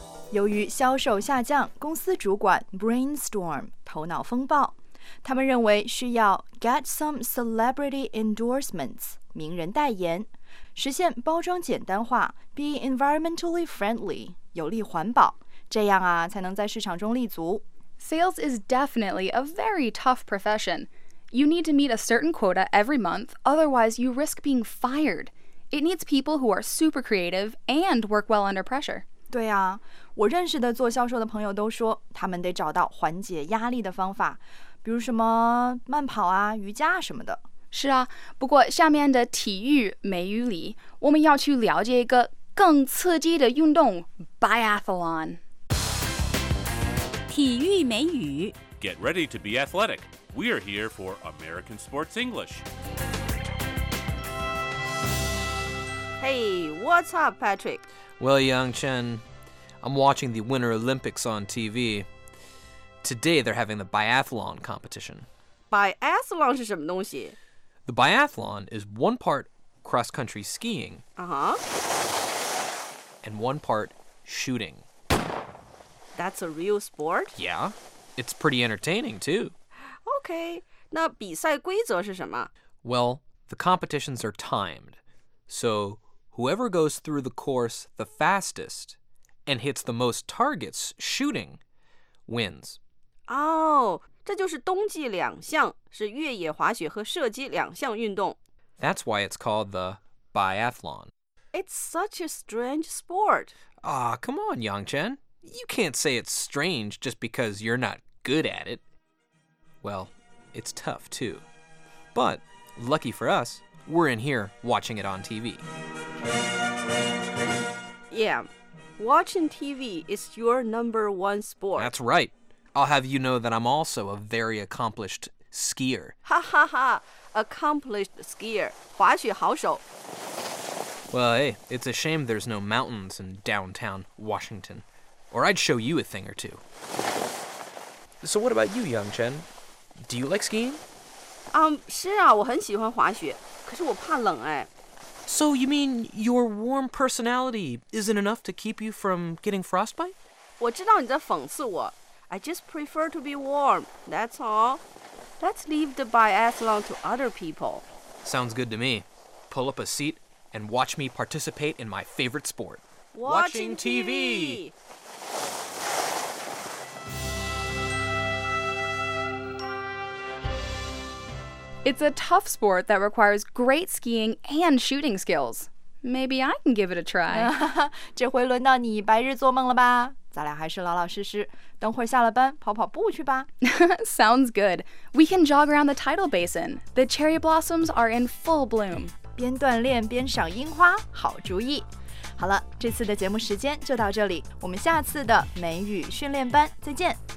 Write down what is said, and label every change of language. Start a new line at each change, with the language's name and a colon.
Chinese: 由于销售下降，公司主管 brainstorm 头脑风暴，他们认为需要
English: get some celebrity endorsements
Chinese: 名人代言，实现包装简单化，
English: be environmentally friendly
Chinese: 有利环保，这样啊才能在市场中立足。
English: Sales is definitely a very tough profession. You need to meet a certain quota every month, otherwise you risk being fired. It needs people who are super creative and work well under pressure.
Chinese: 对啊，我认识的做销售的朋友都说，他们得找到缓解压力的方法，比如什么慢跑啊、瑜伽啊什么的。是啊，不过下面的体育美语里，我们要去了解一个更刺激的运动 ,biathlon。体育美语
English: Get ready to be athletic. We are here for American Sports English. Hey, what's up, Patrick? Well, Yang Chen, I'm watching the Winter Olympics on TV. Today, they're having the biathlon competition.
Chinese: Biathlon 是什么东西？
English: The biathlon is one part cross-country skiing. Uh-huh. And one part shooting. That's a real sport? Yeah, it's pretty entertaining, too. Okay,
Chinese: 那比赛规则是什么？
English: Well, the competitions are timed. So, whoever goes through the course the fastest and hits the most targets shooting wins.
Chinese: Oh, 这就是冬季两项，是越野滑雪和射击两项运动。
English: That's why it's called the biathlon. It's such a strange sport. Ah, come on, Yangchen. You can't say it's strange just because you're not good at it. Well, it's tough too. But lucky for us, we're in here watching it on TV. Yeah, watching TV is your number one sport. That's right. I'll have you know that I'm also a very accomplished skier. Ha ha ha, accomplished skier,
Chinese: 滑雪好手。
English: Well, hey, it's a shame there's no mountains in downtown Washington. Or I'd show you a thing or two. So what about you, Yangchen? Do you like skiing?
Chinese: 是啊，我很喜欢滑雪，可是我怕冷哎。
English: So you mean your warm personality isn't enough to keep you from getting frostbite?
Chinese: 我知道你在讽刺我。
English: I just prefer to be warm, that's all. Let's leave the biathlon to other people. Sounds good to me. Pull up a seat and watch me participate in my favorite sport. Watching TV! It's a tough sport that requires great skiing and shooting skills. Maybe I can give it a try.
Chinese: 这回轮到你白日做梦了吧？咱俩还是老老实实，等会儿下了班跑跑步去吧。
English: Sounds good. We can jog around the tidal basin. The cherry blossoms are in full bloom.
Chinese: 边锻炼边赏樱花，好主意。好了，这次的节目时间就到这里，我们下次的美语训练班再见。